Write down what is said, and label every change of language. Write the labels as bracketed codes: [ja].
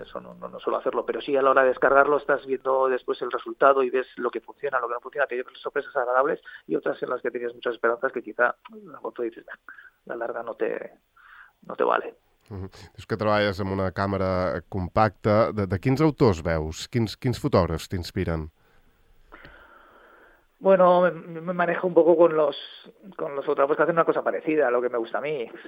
[es] Eso no suelo hacerlo, pero sí a la hora de descargarlo estás viendo después el resultado y ves lo que funciona, lo que no funciona. Te llevas sorpresas agradables y otras en las que tenías muchas esperanzas que quizá la foto dices, la larga no te vale. Uh-huh. [ca] És que treballes amb una càmera compacta. De quins autors veus? Quins fotògrafs t'inspiren? [es] Bueno, me manejo un poco con los fotógrafos que hacen una cosa parecida a lo que me gusta a mí.